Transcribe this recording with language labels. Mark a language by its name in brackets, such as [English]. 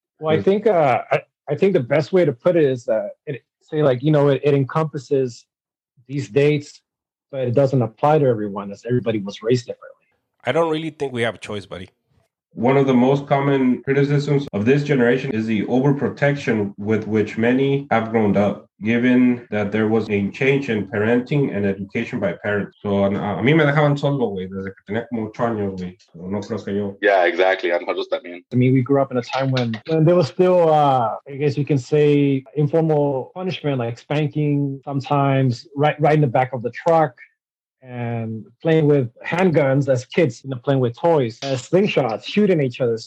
[English] Well, I think the best way to put it is that it encompasses these dates, but it doesn't apply to everyone as everybody was raised differently. I don't really think we have a choice, buddy. One of the most common criticisms of this generation is the overprotection with which many have grown up, given that there was a change in parenting and education by parents. [Spanish] So, a mí me dejaban solo, güey, desde que tenía como 8 años, güey. No creo que yo. [English] Yeah, exactly. [Spanish] A nosotros también. [English] I mean, we grew up in a time when there was still, I guess you can say, informal punishment, like spanking sometimes, right in the back of the truck, and playing with handguns as kids, you know, playing with toys, slingshots, shooting each other.